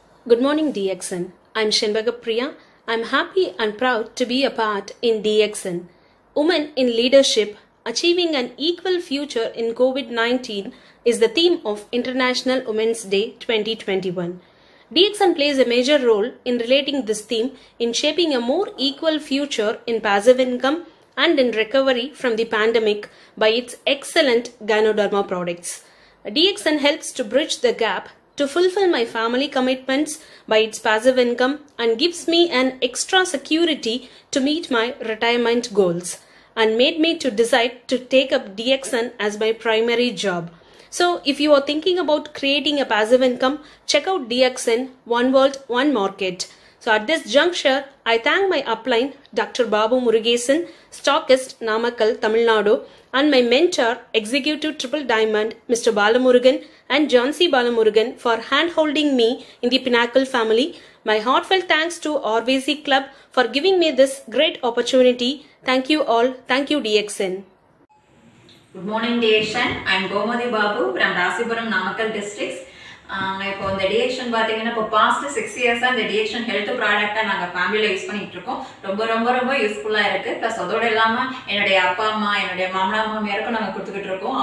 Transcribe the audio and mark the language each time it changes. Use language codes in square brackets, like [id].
[en] Good morning DXN, I'm Shenbaga Priya. I am happy and proud to be a part in DXN, woman in leadership achieving an equal future in COVID-19 is the theme of International Women's Day 2021. DXN plays a major role in relating this theme in shaping a more equal future in passive income and in recovery from the pandemic by its excellent Gynoderma products. DXN helps to bridge the gap to fulfill my family commitments by its passive income and gives me an extra security to meet my retirement goals and made me to decide to take up DXN as my primary job. So, if you are thinking about creating a passive income, check out DXN, One World, One Market. So, at this juncture, I thank my upline, Dr. Babu Murugesan, stockist, Namakkal, Tamil Nadu, and my mentor, Executive Triple Diamond, Mr. Balamurugan and John C. Balamurugan for hand-holding me in the Pinnacle family. My heartfelt thanks to RVC Club for giving me this great opportunity. Thank you all. Thank you, DXN. Good morning DXN, I'm Gomathi Babu from Rasipuram Namakkal districts. [ta] இப்போ இந்த TXN பார்த்தீங்கன்னா இப்போ past 6 இயர்ஸாக இந்த TXN health ப்ராடக்டை நாங்கள் ஃபேமிலியில் use பண்ணிட்டு இருக்கோம். ரொம்ப ரொம்ப ரொம்ப யூஸ்ஃபுல்லாக இருக்குது. ப்ளஸ் அதோடு இல்லாமல் என்னுடைய அப்பா அம்மா, என்னுடைய மாமனா மாமியாருக்கும் நாங்கள் கொடுத்துக்கிட்டு இருக்கோம்.